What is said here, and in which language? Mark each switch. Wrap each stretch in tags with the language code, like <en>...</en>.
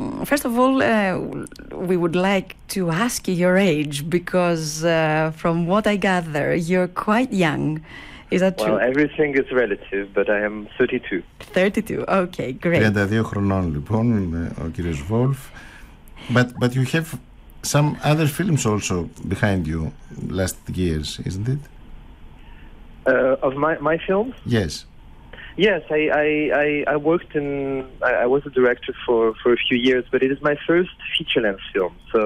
<en>First of all, we would like to ask you your age, because from what I gather, you're quite young. Is that true? Well, everything is relative, but I am 32. 32, okay, great.</en> <el>32 χρονών, λοιπόν, ο κύριος Βόλφ.</el> <en>But you have some other films also behind you last years, isn't it? Of my films? Yes. Yes, I was a director for a few years, but it is my first feature-length film, so</en>